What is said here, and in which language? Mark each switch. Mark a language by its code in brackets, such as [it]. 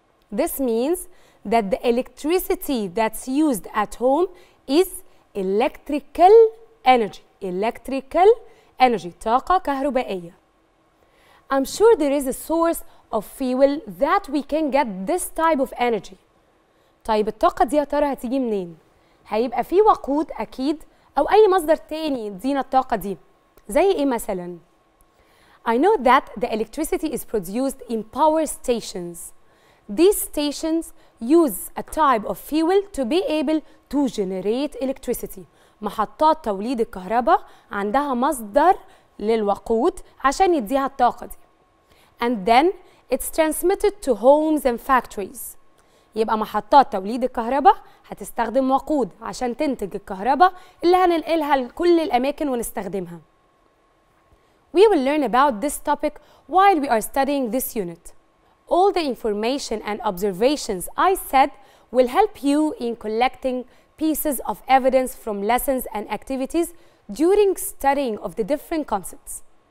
[en] This means that the electricity that's used at home is electrical energy. Electrical energy, [ar] طاقة كهربائية. [en] I'm sure there is a source of fuel that we can get this type of energy. [ar] طيب الطاقة دي يا ترى هتيجي منين؟ هيبقى في وقود أكيد أو أي مصدر تاني يدينا الطاقة دي. زي إيه مثلا؟ [en] I know that the electricity is produced in power stations. These stations use a type of fuel to be able to generate electricity. [ar] محطات توليد الكهرباء عندها مصدر للوقود عشان يديها الطاقة دي. [en] And then it's transmitted to homes and factories. [ar] يبقى محطات توليد الكهرباء هتستخدم وقود عشان تنتج الكهرباء اللي هننقلها لكل الأماكن ونستخدمها. [en] We will learn about this topic while we are studying this unit. All the information and observations I said will help you in collecting pieces of evidence from lessons and activities during studying of the different concepts.